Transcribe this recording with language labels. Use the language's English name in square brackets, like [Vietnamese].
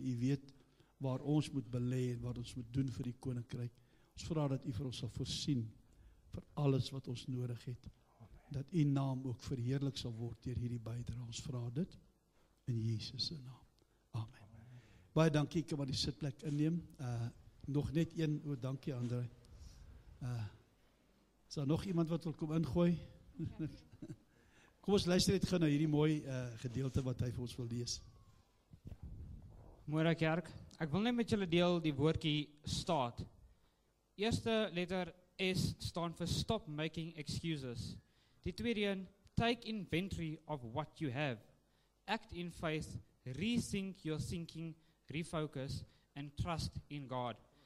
[Afrikaans] U weet waar ons moet belê en wat ons moet doen vir die koninkryk. Ons vra dat u vir ons sal voorsien vir alles wat ons nodig het. Dat u naam ook verheerlik sal word deur hierdie bydrae. Ons vra dit in Jesus se naam. Amen. Baie dankie, ek wat die sitplek inneem. Nog net een, dankie Andre. Is daar nog iemand wat wil kom ingooi? Kom ons luister net gou na hierdie mooi gedeelte wat hy vir ons wil lees. Môre kerk, ek wil net met julle deel die woordjie staat. Eerste letter S staan vir [English] stop making excuses. [Afrikaans] Die tweede een, [English] take inventory of what you have. Act in faith, rethink your thinking, refocus and trust in God.